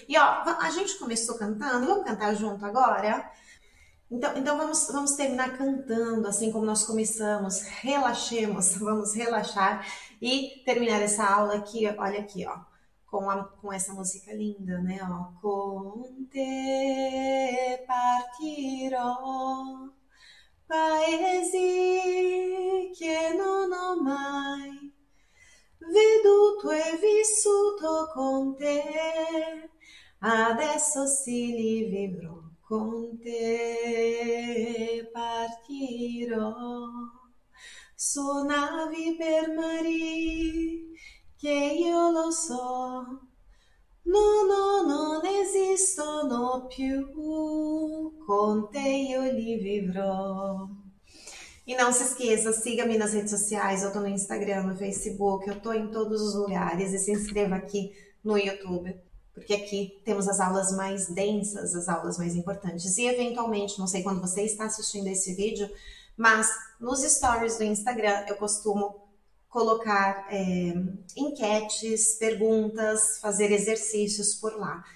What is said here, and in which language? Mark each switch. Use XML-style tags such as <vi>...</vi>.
<pt>E ó, a gente começou cantando, vamos cantar junto agora? Então vamos terminar cantando, assim como nós começamos. Relaxemos, vamos relaxar e terminar essa aula aqui, olha aqui, ó, com essa música linda, né?</pt> <it>Ó, con te partirò, paesi che non ho mai veduto e vissuto con te, adesso sì li vivrò. Con te partirò su navi per mari che io lo so, no, no, non esistono più, con te io li vivrò.</it> <pt>E não se esqueça, siga-me nas redes sociais, eu tô no Instagram, no Facebook, eu tô em todos os lugares e se inscreva aqui no YouTube. Porque aqui temos as aulas mais densas, as aulas mais importantes. E eventualmente, não sei quando você está assistindo esse vídeo, mas nos stories do Instagram eu costumo colocar enquetes, perguntas, fazer exercícios por lá.</pt>